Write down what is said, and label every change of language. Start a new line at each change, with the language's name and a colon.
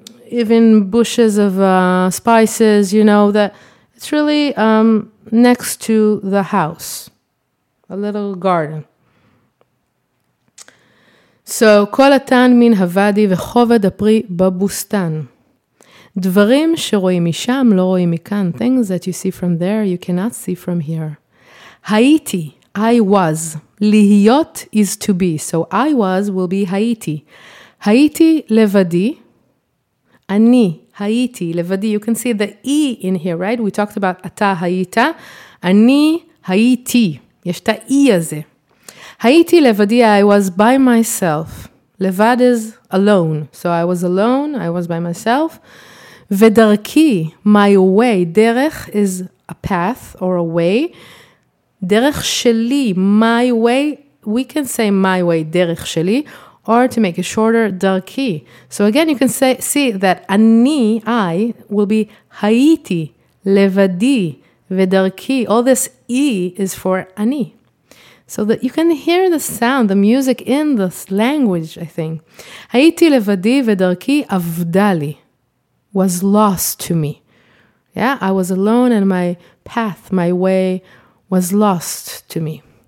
English: even bushes of spices, you know, that it's really next to the house, a little garden. So,
Hebrew: כל התן מן הוודי וחובד הפרי בבוסטן. דברים שרואים משם לא רואים מכאן.
English: Things that you see from there, you cannot see from here. הייתי, I was. להיות is to be. So, I was will be הייתי.
Hebrew: הייתי לבדי. אני, הייתי לבדי.
English: You can see the E in here, right? We talked about אתה היית.
Hebrew: אני, הייתי. יש את ה-E הזה. הייתי לבדי,
English: I was by myself. לבד is alone. So I was alone, I was by myself. ודרכי, my way. דרך is a path or a way.
Hebrew: דרך שלי,
English: my way. We can say my way, דרך שלי. Or to make it shorter, דרכי. So again, you can say, see that אני, I, will be
Hebrew: הייתי, לבדי, ודרכי.
English: All this E is for אני. So that you can hear the sound, the music in this language, I think.
Hebrew: הייתי לבדי ודרכי עבדה לי,
English: was lost to me. Yeah, I was alone and my path, my way was lost to me.